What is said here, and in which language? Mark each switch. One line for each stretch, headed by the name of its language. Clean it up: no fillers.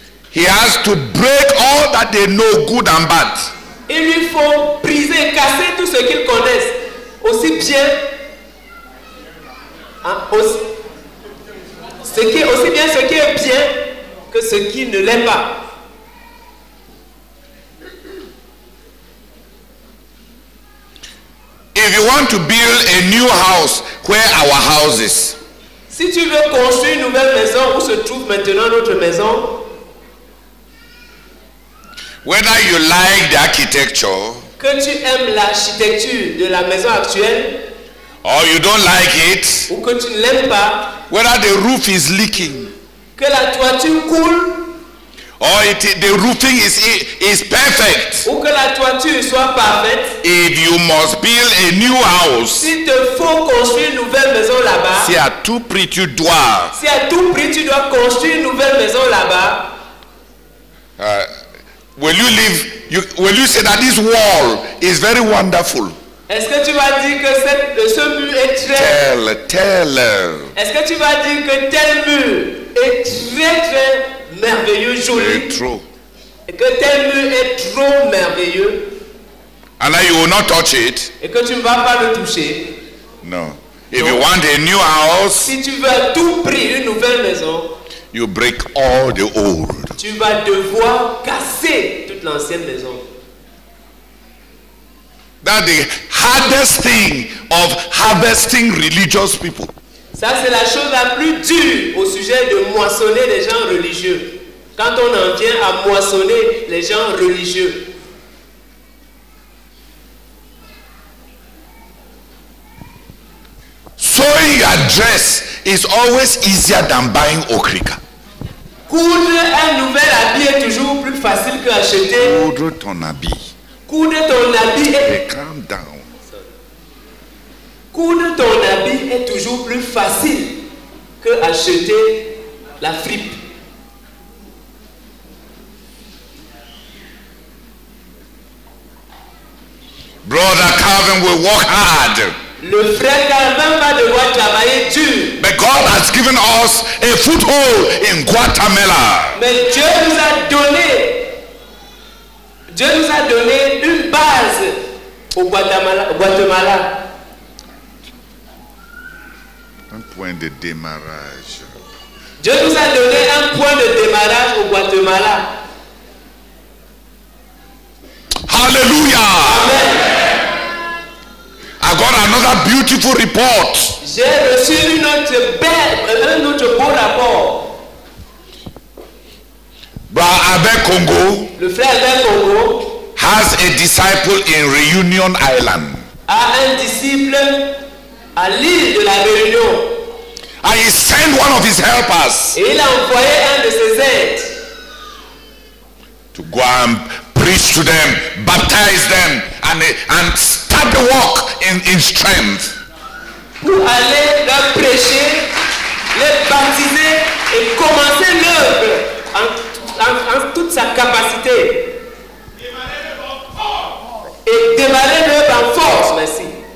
English: He has to break all that they know, good and bad.
French: Il lui faut briser, casser tout ce qu'ils connaissent, aussi bien. Ce qui est bien. Que ce qui ne l'est pas.
English: If you want to build a new house, where our house is.
French: Si tu veux construire une nouvelle maison, où se trouve maintenant notre maison?
English: Whether you like the architecture.
French: Que tu aimes l'architecture de la maison actuelle.
English: Or you don't like it.
French: Ou que tu ne l'aimes pas.
English: Whether the roof is leaking.
French: Que la toiture coule.
English: Or the roofing is perfect.
French: Ou que la toiture soit parfaite.
English: If you must build a new house.
French: S'il te faut construire une nouvelle là-bas, si à tout prix tu dois, si à tout prix tu dois construire une nouvelle maison là-bas,
English: will you live? Will you say that this wall is very wonderful?
French: Est-ce que tu vas dire que ce mur est très tel? Est-ce que tu vas dire que tel mur est très très merveilleux, joli? C'est trop. Et que tel mur est trop merveilleux.
English: And that you will not touch it.
French: Et que tu ne vas pas le toucher.
English: No. If you want a new house,
French: si tu veux à tout prix une nouvelle maison,
English: you break all the old.
French: Tu vas devoir casser toute l'ancienne maison.
English: That's the hardest thing of harvesting religious people.
French: Ça c'est la chose la plus dure au sujet de moissonner les gens religieux. Quand on en vient à moissonner les gens religieux.
English: Sewing your dress is always easier than buying okrika.
French: Coudre un nouvel habit est toujours plus facile que acheter. Coudre ton habit. Coudre ton habit est.
English: Hey, calm down.
French: Coudre ton habit est toujours plus facile que acheter la fripe.
English: Brother Calvin will work hard.
French: Le frère Calvin va devoir travailler dur.
English: But God has given us a foothold in Guatemala.
French: Mais Dieu nous a donné une base au Guatemala. Un point de démarrage. Dieu nous a donné un point de démarrage au Guatemala.
English: Hallelujah. Amen. I got another beautiful report.
French: J'ai reçu un autre beau rapport.
English: Brother Albert Congo.
French: Le frère Albert Congo
English: has a disciple in Reunion Island.
French: A un disciple à l'île de la Réunion.
English: And he sent one of his helpers.
French: Et il a envoyé un de ses aides.
English: To go and preach to them, baptize them, and start the work in strength.
French: Pour aller leur prêcher, les baptiser et commencer l'œuvre en toute sa capacité. Démarrer l'œuvre en force, merci.